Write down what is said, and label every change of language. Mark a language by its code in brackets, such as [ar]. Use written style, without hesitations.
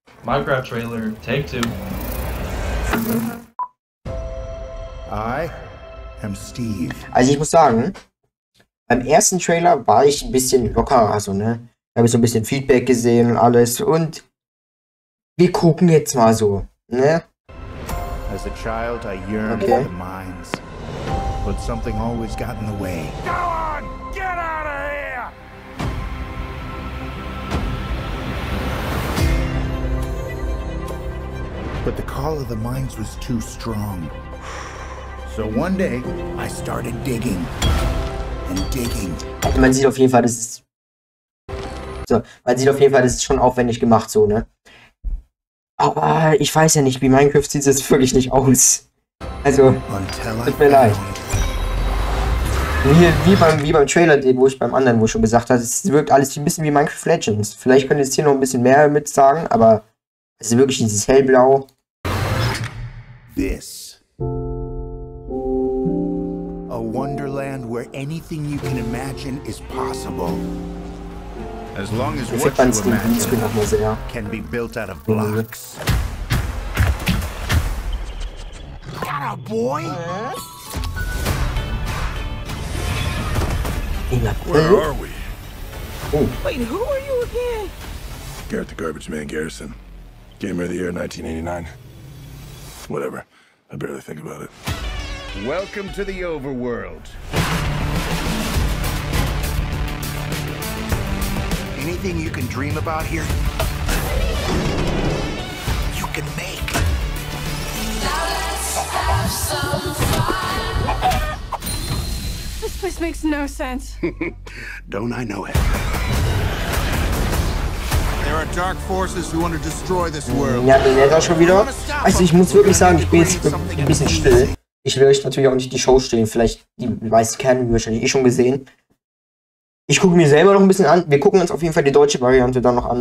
[en] Minecraft trailer, take two. I am Steve. [de] Also ich muss sagen, beim ersten Trailer war ich ein bisschen lockerer, also ne. Da habe ich so ein bisschen Feedback gesehen und alles und wir gucken jetzt mal so, ne. [en] As a child I yearned for the mines, but something always got in the way. Go on, get out of here! But the call of the mines was too strong. So one day, I started digging and digging. [de] Man sieht auf jeden Fall, das ist so. Man sieht auf jeden Fall, das ist schon aufwendig gemacht, so, ne? Aber ich weiß ja nicht, wie Minecraft sieht es wirklich nicht aus. Also, tut mir leid. Wie beim Trailer, wo ich schon gesagt habe, es wirkt alles ein bisschen wie Minecraft Legends. Vielleicht könnt ihr jetzt hier noch ein bisschen mehr mit sagen, aber es ist wirklich dieses Hellblau. [en] This. A wonderland where anything you can imagine is possible. As long as what you imagine can be built out of blocks. Got a boy? Where are we? Oh. Wait, who are you again? Garrett the Garbage Man Garrison. Game of the Year 1989. Whatever. I barely think about it. Welcome to the overworld. Anything you can dream about here, you can make. Now let's have some fun. This place makes no sense. Don't I know it? There are dark forces who want to destroy this world. [de] Ja, den hat er schon wieder. Also ich muss wirklich sagen, ich bin jetzt ein bisschen still. Ich will euch natürlich auch nicht die Show stehlen. Vielleicht die meisten kennen wir wahrscheinlich eh schon gesehen. Ich gucke mir selber noch ein bisschen an. Wir gucken uns auf jeden Fall die deutsche Variante dann noch an.